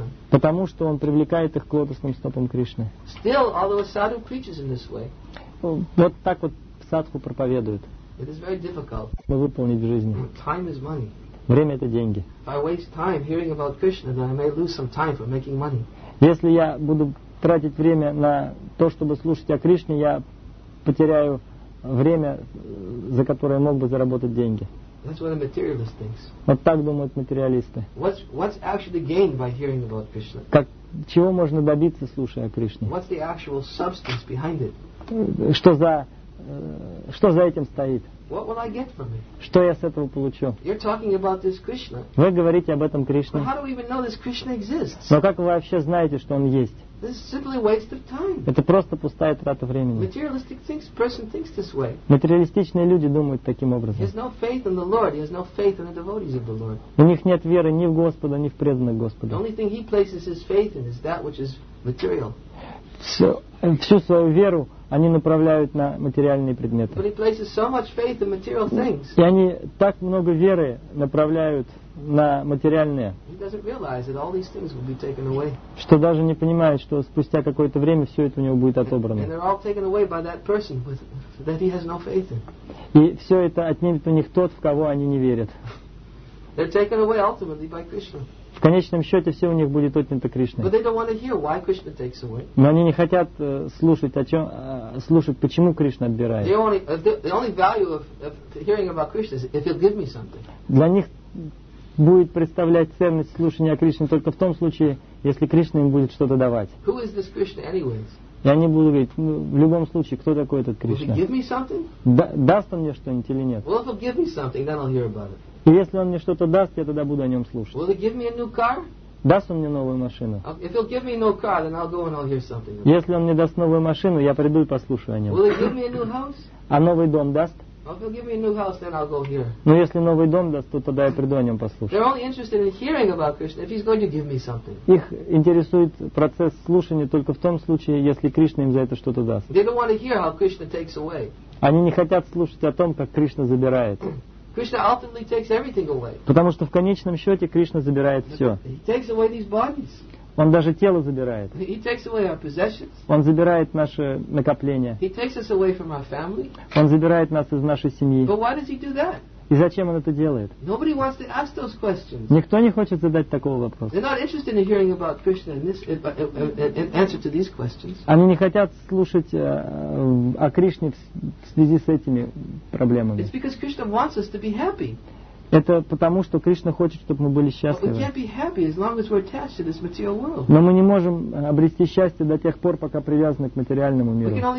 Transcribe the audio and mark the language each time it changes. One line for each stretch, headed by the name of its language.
Russian: Потому что он привлекает их к лотосным стопам Кришны.
English: Still, sadhu preaches in this way,
Russian: вот так вот садху проповедует.
English: It is very difficult.
Russian: Чтобы выполнить в жизни.
English: Time is money.
Russian: Время – это деньги.
English: If I waste time hearing about Krishna, then I may lose some time for making money.
Russian: Если я буду тратить время на то, чтобы слушать о Кришне, я потеряю время, за которое мог бы заработать деньги.
English: That's what a materialist thinks.
Russian: Вот так думают материалисты.
English: What's actually gained by hearing about Krishna?
Russian: Как, чего можно добиться, слушая о Кришне?
English: What's the actual substance behind it?
Russian: Что за этим стоит?
English: What will I get from it?
Russian: Что я с этого получу?
English: You're talking about this Krishna.
Russian: Вы говорите об этом Кришне.
English: But how do we even know this Krishna exists?
Russian: Но как вы вообще знаете, что он есть?
English: This is simply a waste of time.
Russian: Это просто пустая трата времени.
English: Materialistic thinks, person thinks this way.
Russian: Материалистичные люди думают таким образом.
English: He has no faith in the Lord. He has no faith in the devotees of the Lord.
Russian: У них нет веры ни в Господа, ни в преданных Господа.
English: The only thing he places his faith in is that which is material.
Russian: Всю свою веру они направляют на материальные предметы.
English: But he places so much faith in material things.
Russian: И они так много веры направляют на материальные.
English: He doesn't realize that all these things will be taken away.
Russian: Что даже не понимает, что спустя какое-то время все это у него будет отобрано.
English: And they're all taken away by that person that he has no faith in.
Russian: И все это отнимет у них тот, в кого они не верят.
English: They're taken away ultimately by Krishna.
Russian: В конечном счете все у них будет отнято Кришной.
English: But they don't want to hear why Krishna takes away.
Russian: Но они не хотят слушать, почему Кришна отбирает.
English: The only value of hearing about Krishna is if he'll give me something.
Russian: Для них будет представлять ценность слушания о Кришне только в том случае, если Кришна им будет что-то давать.
English: Who is this Krishna anyways?
Russian: И они будут говорить, ну, в любом случае, кто такой этот Кришна?
English: Will he give me something?
Russian: Даст он мне что-нибудь или нет?
English: Well, if he'll give me something, then I'll hear about it.
Russian: И если он мне что-то даст, я тогда буду о нем слушать.
English: Will he give me a new car?
Russian: Даст он мне новую машину?
English: If he'll give me a new car, then I'll go and I'll hear something.
Russian: Если он мне даст новую машину, я приду и послушаю о нем.
English: Will he give me a new house?
Russian: А новый дом даст?
English: Well, if he'll give me a new house, then I'll go here.
Russian: Но если новый дом даст, то тогда я приду о нем послушать.
English: They're only interested in hearing about Krishna if he's going to give me something.
Russian: Их интересует процесс слушания только в том случае, если Кришна им за это что-то даст.
English: They don't want to hear how Krishna takes away.
Russian: Они не хотят слушать о том, как Кришна забирает.
English: Krishna ultimately takes everything away.
Russian: Потому что в конечном счете Кришна забирает все.
English: He takes away these bodies.
Russian: Он даже тело забирает.
English: He takes away our possessions.
Russian: Он забирает наши накопления.
English: He takes us away from our family.
Russian: Он забирает нас из нашей семьи.
English: But why does he do that?
Russian: И зачем он это делает?
English: Nobody wants to ask those questions.
Russian: Никто не хочет задать такого вопроса.
English: They're not interested in hearing about Krishna in this, in answer to these questions.
Russian: Они не хотят слушать о Кришне в связи с этими проблемами.
English: It's because Krishna wants us to be happy.
Russian: Это потому, что Кришна хочет, чтобы мы были счастливы. Но мы не можем обрести счастье до тех пор, пока привязаны к материальному миру.